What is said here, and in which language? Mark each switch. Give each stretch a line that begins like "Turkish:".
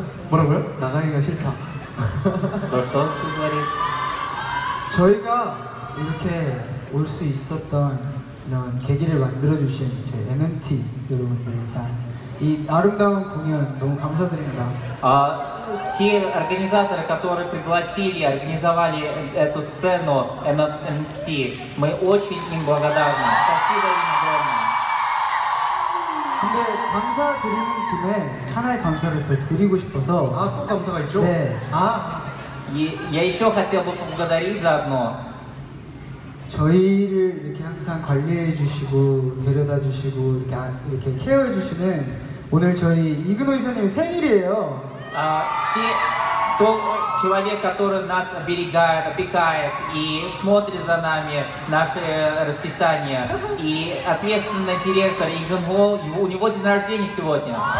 Korean: 뭐라고요? 나가기가 싫다.
English: So good what is?
Korean: 저희가 이렇게 올 수 있었던 이런 계기를 만들어주신 저희 MMT 여러분들입니다. 이 아름다운 공연 너무 감사드립니다.
Russian: 아 те организаторы, которые пригласили, организовали эту сцену MMT, мы очень им благодарны. Спасибо им огромное.
Korean: 근데 감사 드리는 김에 하나의 감사를 더 드리고 싶어서. 아, 또 감사가 있죠? 네. 아,
Russian: я еще хотел бы поблагодарить заодно.
Korean: 저희를 이렇게 항상 관리해 주시고 데려다 주시고 이렇게 케어해 주시는 오늘 저희 이근호 이사님 생일이에요.
Russian: 아, тот человек, который нас оберегает, опекает и смотрит за нами наши расписания. И ответственный директор Игон Го, у него день рождения сегодня.